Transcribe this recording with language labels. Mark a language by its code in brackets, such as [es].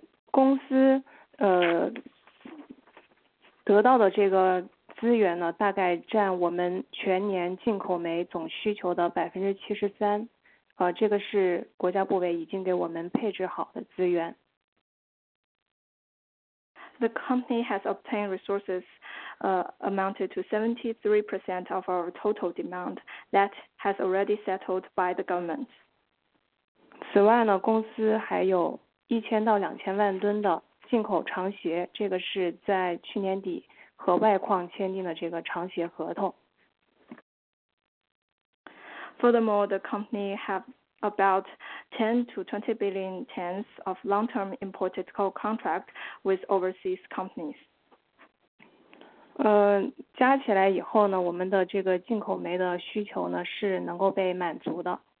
[zh] 公司得到的这个资源呢，大概占我们全年进口煤总需求的73%，这个是国家部委已经给我们配置好的资源。 [en] The company has obtained resources, amounted to 73% of our total demand that has already settled by the government. [zh] 此外呢，公司还有1000到2000万吨的进口长协，这个是在去年底和外矿签订的这个长协合同。 [en] Furthermore, the company have about 10 to 20 billion tons of long-term imported coal contract with overseas companies. [zh] 加起来以后呢，我们的这个进口煤的需求呢是能够被满足的。